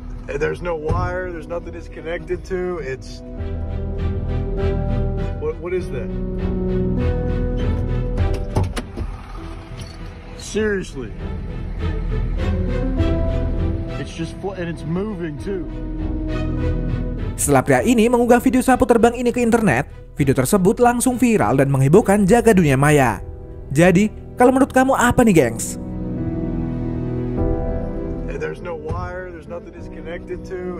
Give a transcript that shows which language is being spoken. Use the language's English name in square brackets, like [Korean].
[English] There's no wire, there's nothing it's connected to. It's What is that? Seriously. It's just and it's moving too. [Indonesian] Setelah pria ini mengunggah video sapu terbang ini ke internet, video tersebut langsung viral dan menghebohkan jagat dunia maya. Jadi, kalau menurut kamu apa nih, gengs? [English] There's no wire, there's nothing it's connected to.